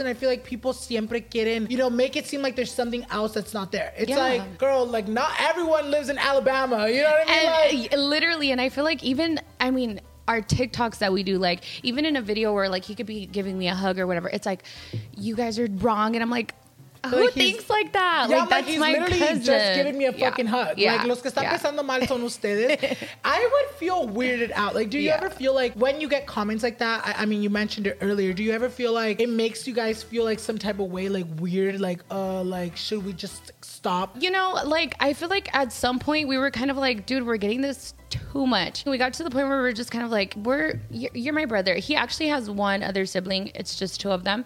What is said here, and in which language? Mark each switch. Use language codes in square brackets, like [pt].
[en] And I feel like people [es] siempre quieren, [en] you know, make it seem like there's something else that's not there. It's like, girl, like, not everyone lives in Alabama. You know what I mean? And like, literally, and I feel like even, I mean, our TikToks that we do, like, even in a video where, like, he could be giving me a hug or whatever, it's like, you guys are wrong. And I'm like, who thinks like that? Yeah, like, that's he's my literally cousin. Just giving me a fucking hug. Yeah. [es] Like, los que están pasando mal son ustedes. [en] I would feel weirded out. Like, do you ever feel like when you get comments like that, I mean, you mentioned it earlier, do you ever feel like it makes you guys feel like some type of way, like weird, like should we just stop? You know, like, I feel like at some point we were kind of like, dude, we're getting this too much. We got to the point where we're just kind of like, you're my brother. He actually has one other sibling. It's just two of them.